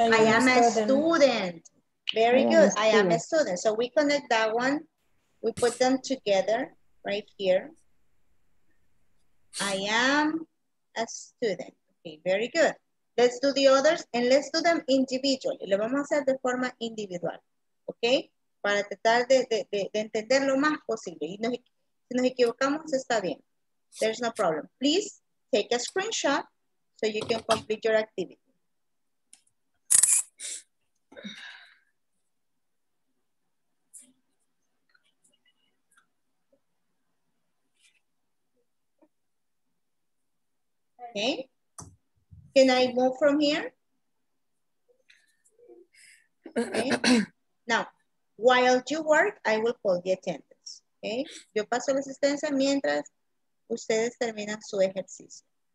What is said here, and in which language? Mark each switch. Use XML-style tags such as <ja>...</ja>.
<en>I am a student. Very good. I am a student. So we connect that one. We put them together right here. I am a student. Okay, very good. Let's do the others and let's do them individually.</en> <es>Lo vamos a hacer de forma individual, ¿ok? Para tratar de entender lo más posible. Y si nos equivocamos, está bien.</es> <en>There's no problem. Please take a screenshot so you can complete your activity. Okay, can I move from here? Okay, now, while you work, I will call the attendance.</en> <es>Okay, yo paso la asistencia mientras ustedes terminan su ejercicio.</es>